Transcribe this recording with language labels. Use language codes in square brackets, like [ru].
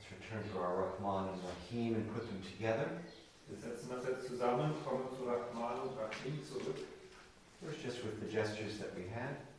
[en] Turn to our Rahman and Rahim and put them together. [de] Wir setzen das jetzt zusammen, kommen zu Rahman und Rahim zurück. [en] First, just with the gestures that we had.